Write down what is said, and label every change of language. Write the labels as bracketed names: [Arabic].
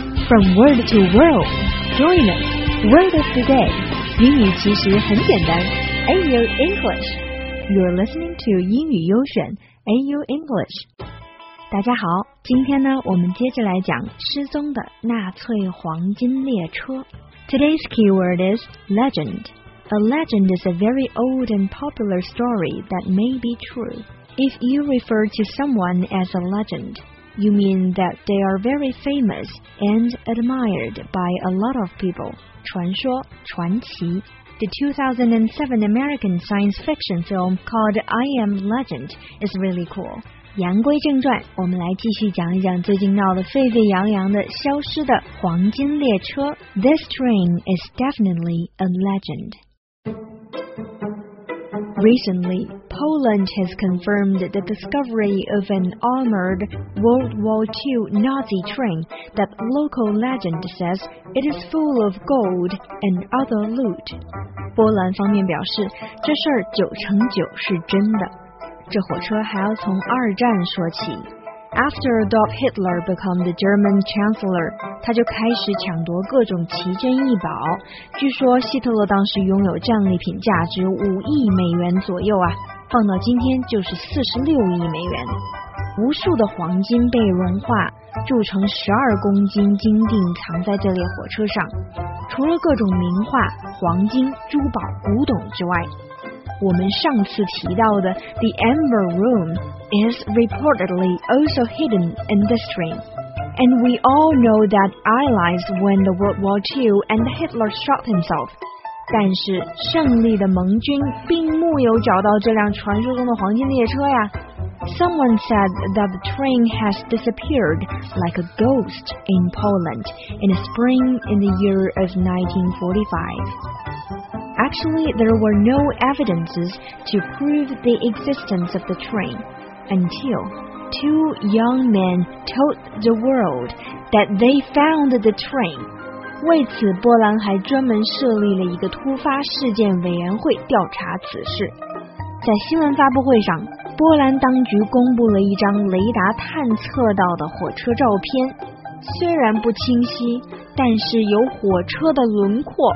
[English] From word to world, join us, word of the day. [Chinese] 英语其实很简单, AU English. [English] You're listening to 英语优选, AU English. [Chinese] 大家好，今天呢，我们接着来讲失踪的纳粹黄金列车。 [English] Today's keyword is legend. A legend is a very old and popular story that may be true. If you refer to someone as a legend, you mean that they are very famous and admired by a lot of people. [Chinese] 传说，传奇。 [English] The 2007 American science fiction film called I Am Legend is really cool. [Chinese] 言归正传，我们来继续讲一讲最近闹得沸沸扬扬的消失的黄金列车。 [English] This train is definitely a legend. Recently, Poland has confirmed the discovery of an armored World War II Nazi train that local legend says it is full of gold and other loot. [Chinese] 波兰方面表示，这事儿九成九是真的。这火车还要从二战说起。 [English] After Adolf Hitler became the German Chancellor, [Chinese] 他就开始抢夺各种奇珍异宝。据说希特勒当时拥有战利品价值5亿美元左右啊，放到今天就是46亿美元。无数的黄金被融化，铸成12公斤金锭，藏在这列火车上。除了各种名画、黄金、珠宝、古董之外。我们上次提到的 [English] The Amber Room is reportedly also hidden in this train. And we all know that allies won the World War II and Hitler shot himself. [Chinese] 但是胜利的盟军并没有找到这辆传说中的黄金列车呀。 [English] Someone said that the train has disappeared like a ghost in Poland in the spring in the year of 1945. Actually, there were no evidences to prove the existence of the train until two young men told the world that they found the train. [Chinese] 为此，波兰还专门设立了一个突发事件委员会调查此事。在新闻发布会上，波兰当局公布了一张雷达探测到的火车照片，虽然不清晰，但是有火车的轮廓。